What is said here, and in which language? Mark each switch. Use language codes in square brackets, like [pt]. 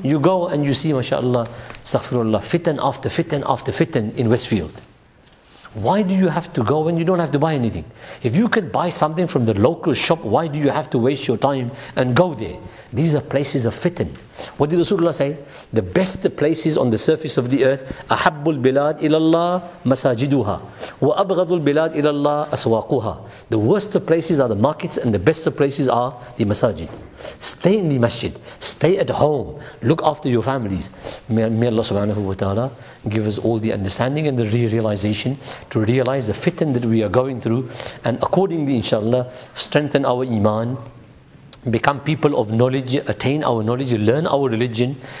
[en] You go and you see, mashallah, astaghfirullah, fitan after fitan after fitan in Westfield. Why do you have to go when you don't have to buy anything? If you could buy something from the local shop, why do you have to waste your time and go there? These are places of fitan. What did Rasulullah say? The best places on the surface of the earth, [ar] أحب البلاد إلى الله مساجدها وأبغض البلاد إلى الله أسواقها. [en] The worst places are the markets and the best places are the masajid. Stay in the masjid. Stay at home. Look after your families. May Allah subhanahu wa ta'ala give us all the understanding and the realization to realize the fitan that we are going through, and accordingly, inshallah, strengthen our iman, become people of knowledge, attain our knowledge, learn our religion,